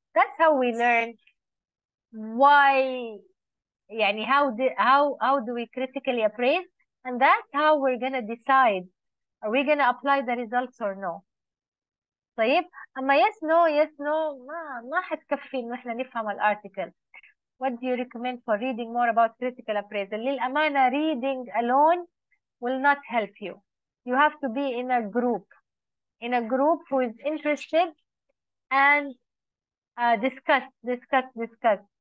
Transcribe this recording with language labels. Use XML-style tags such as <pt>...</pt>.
<en>That's how we learn why يعني how do we critically appraise and that's how we're gonna decide are we gonna apply the results or no.</en> <ar>طيب اما</ar> <en>yes no yes no</en> <ar>ما حتكفي ان احنا نفهم الارتيكل.</ar> <en>What do you recommend for reading more about critical appraisal؟</en> <ar>للامانه</ar> <en>reading alone will not help you. You have to be in a group, in a group who is interested and discuss.</en>